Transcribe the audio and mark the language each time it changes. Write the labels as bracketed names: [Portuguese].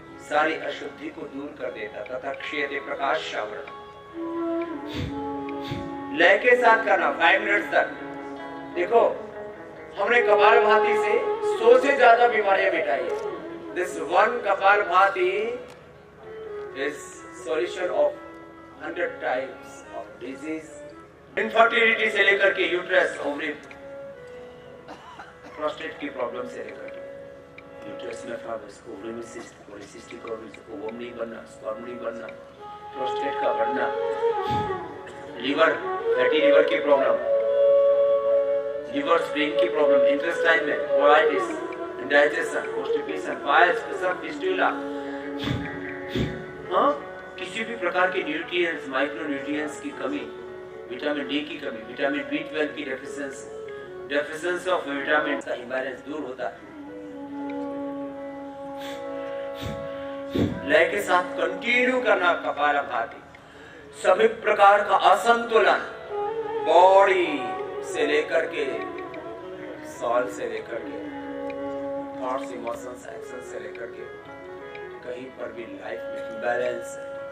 [Hindi] सारी अशुद्धि को दूर कर देता तथा क्षेत्र प्रकाश श्रवण लय के साथ करना 5 मिनट तक। देखो हमने कपालभाति से 100 से ज्यादा बीमारियां मिटाई है। [English] This one kapalbhati is solution of 100 types of disease, infertility [Hindi] से लेकर के [English] uterus, ovary, [Hindi] prostate की problem से लेकर के uterus में fibroids, ovary में cyst, polycystic ovaries, ovum नहीं बनना, sperm नहीं बनना, prostate का बढ़ना, liver, fatty liver की problem, liver spleen की problem, intestine में colitis, digestion, constipation, bile spasm, fistula, हाँ, किसी भी प्रकार के nutrients, micronutrients की कमी, vitamin D की कमी, vitamin B12 की deficiency, [English] deficiency of vitamin [Hindi] का imbalance दूर होता है। लय के साथ continue करना कपालभाति, सभी प्रकार का असंतुलन body से लेकर के soul से लेकर के thoughts, emotions, actions से लेकर के कहीं पर भी लाइफ में बैलेंस है,